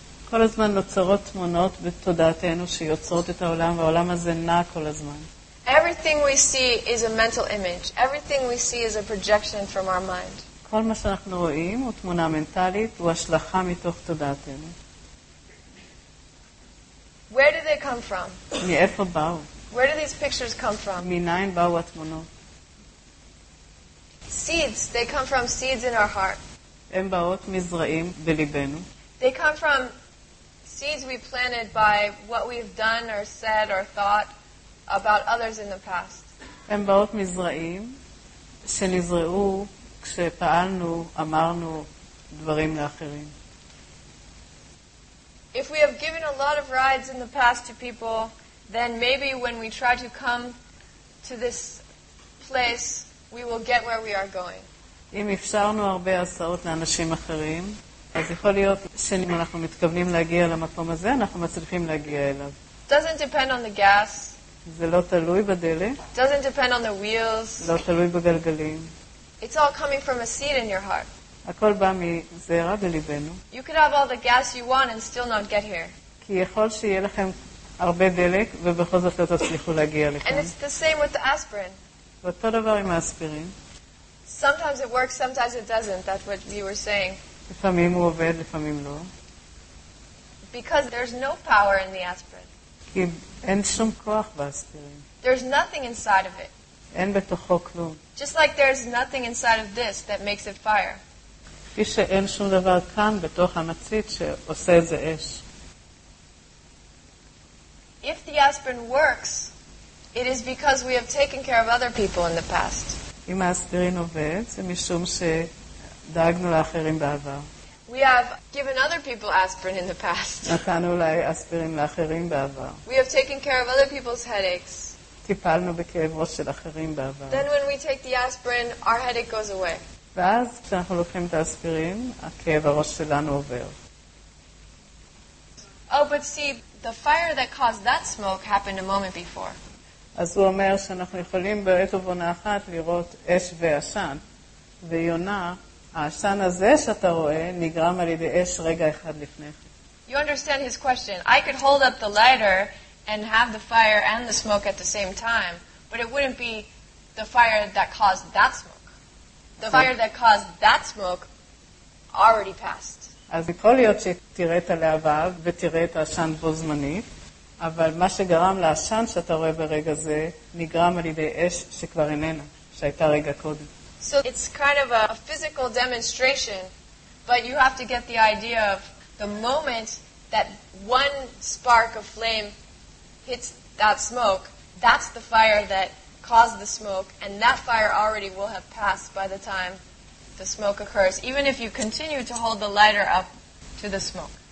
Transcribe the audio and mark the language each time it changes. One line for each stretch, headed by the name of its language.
Hebrew: כל הזמן נוצרות תמונות בתודעתנו שיוצרות את העולם, והעולם הזה נע כל הזמן.
English: Everything we see is a mental image. Everything we see is a projection from our mind.
Hebrew: כל מה שאנחנו רואים הוא תמונה מנטלית, הוא השלכה מתוך תודעתנו.
English: Where do they come from?
Hebrew: מאיפה באו?
English: Where do these pictures come from?
Hebrew: מניין באו התמונות?
English: Seeds. They come from seeds in our heart.
Hebrew: הם באות מזרעים בליבנו.
English: They come from seeds we planted by what we've done or said or thought about others in the past.
Hebrew: הם באות מזרעים שנזרעו כשפעלנו, אמרנו דברים לאחרים.
English: if we have given a lot of rides in the past to people, then maybe when we try to come to this place, we will get where we are going.
Hebrew: אם אפשרנו הרבה הסעות לאנשים אחרים, אז יכול להיות שאם אנחנו מתכוונים להגיע למקום הזה, אנחנו מצליחים להגיע אליו.
English: Doesn't depend on the gas.
Hebrew: זה לא תלוי בדלק.
English: Doesn't depend on the wheels.
Hebrew: לא תלוי בגלגלים.
English: It's all coming from a seed in your heart.
Hebrew: הכל בא מזרע בליבנו.
English: You could have all the gas you want and still not get here.
Hebrew: כי יכול שיהיה לכם הרבה דלק ובכל זאת לא תצליחו להגיע לכאן.
English: And it's the same with the aspirin.
Hebrew: ואותו דבר עם האספירין.
English: Sometimes it works, sometimes it doesn't. That's what you were saying.
Hebrew: לפעמים הוא עובד, לפעמים לא.
English: Because there's no power in the aspirin.
Hebrew: כי אין שום כוח באספירין.
English: There's nothing inside of it.
Hebrew: אין בתוכו כלום.
English: Just like there's nothing inside of this that makes it fire.
Hebrew: כפי שאין שום דבר כאן בתוך המצית שעושה איזה אש.
English: If the aspirin works, it is because we have taken care of other people in the past.
Hebrew: אם האספירין עובד, זה משום שדאגנו לאחרים בעבר.
English: We have given other people aspirin in the past.
Hebrew: נתנו לי אספירין לאחרים בעבר.
English: We have taken care of other people's headaches.
Hebrew: טיפלנו בכאב ראש של אחרים בעבר.
English: Then when we take the aspirin, our headache goes away.
Hebrew: ואז כשאנחנו לוקחים את האספירין, הכאב הראש שלנו עובר.
English: Oh, but see, the fire that caused that smoke happened a moment before.
Hebrew: אז הוא אומר שאנחנו יכולים בעת ובעונה אחת לראות אש ואשן. ויונה, האשן הזה שאתה רואה נגרם על ידי אש רגע אחד לפני כן.
English: You understand his question. I could hold up the lighter and have the fire and the smoke at the same time, but it wouldn't be the fire that caused that smoke. The fire that caused that smoke already passed.
Hebrew: אז יכול להיות שתראה את הלהבה ותראה את האשן בו זמנית, אבל מה שגרם לאשן שאתה רואה ברגע זה נגרם על ידי אש שכבר איננה, שהייתה רגע קודם.
English: So it's kind of a physical demonstration, but you have to get the idea of the moment that one spark of flame hits that smoke, that's the fire that caused the smoke, and that fire already will have passed by the time the smoke occurs, even if you continue to hold the lighter up to the smoke.